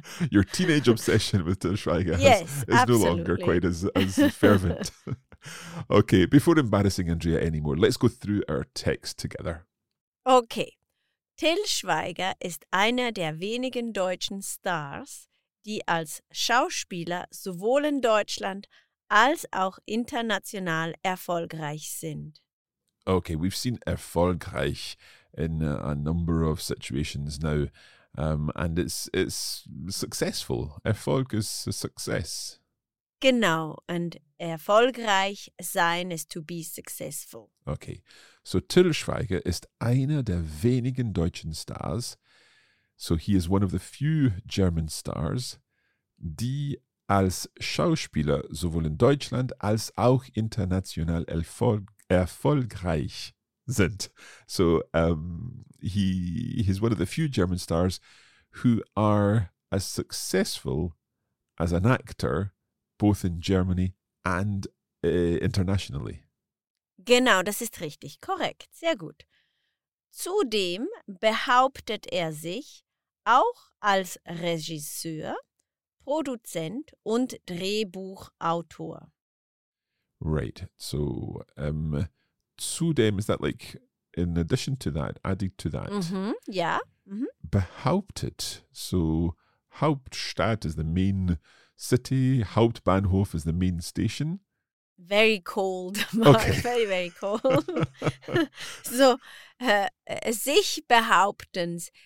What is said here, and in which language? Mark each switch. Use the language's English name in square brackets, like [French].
[English] Your teenage obsession with Til Schweiger is no longer quite as fervent. Okay, before embarrassing Andrea anymore, let's go through our text together. Okay. [German] Til Schweiger ist einer der wenigen deutschen Stars, die als Schauspieler sowohl in Deutschland als auch international erfolgreich sind. [English] Okay, we've seen erfolgreich in a number of situations now, and it's successful. Erfolg is a success. Genau, and [German] erfolgreich sein [English] is to be successful. Okay, so [German] Til Schweiger ist einer der wenigen deutschen Stars. [English] So he is one of the few German stars, [German] die als Schauspieler sowohl in Deutschland als auch international erfolgreich sind. [English] So he's one of the few German stars who are as successful as an actor, both in Germany and internationally. [German] Genau, das ist richtig. Korrekt. Sehr gut. Zudem behauptet er sich auch als Regisseur, Produzent und Drehbuchautor. [English] Right. So, zudem, is that like in addition to that, added to that? Mm-hmm. Ja. Mm-hmm. [German] Behauptet. [English] So, Hauptstadt is the main city. Hauptbahnhof is the main station. Very cold, Mark. Okay. Very, very cold. So, sich behaupten.